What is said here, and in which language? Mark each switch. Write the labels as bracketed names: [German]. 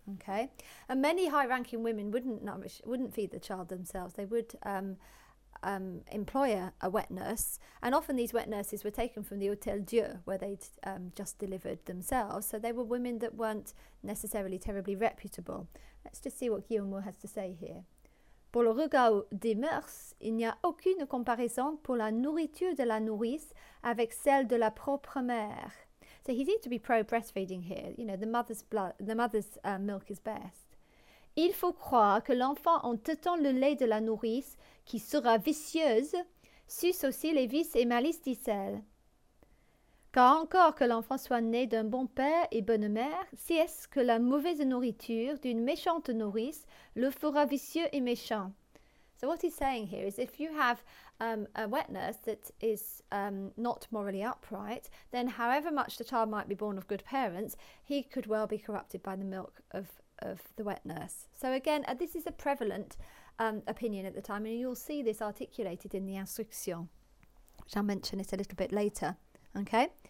[English] Okay, and many high-ranking women wouldn't feed the child themselves. They would employ a wet nurse, and often these wet nurses were taken from the Hotel Dieu, where they'd just delivered themselves. So they were women that weren't necessarily terribly reputable. Let's just see what Guillaumeau has to say here. [French] Pour le regard des mœurs, il n'y a aucune comparaison pour la nourriture de la nourrice avec celle de la propre mère. [English] So he seems to be pro-breastfeeding here. You know, the mother's milk is best. [French] Il faut croire que l'enfant, en tétant le lait de la nourrice, qui sera vicieuse, suce aussi les vices et malices, dit-elle. Car encore que l'enfant soit né d'un bon père et bonne mère, si est-ce que la mauvaise nourriture d'une méchante nourrice le fera vicieux et méchant. [English] So what he's saying here is, if you have a wet nurse that is not morally upright, then however much the child might be born of good parents, he could well be corrupted by the milk of the wet nurse. So again, this is a prevalent opinion at the time, and you'll see this articulated in the instruction, which I'll mention it a little bit later. Okay.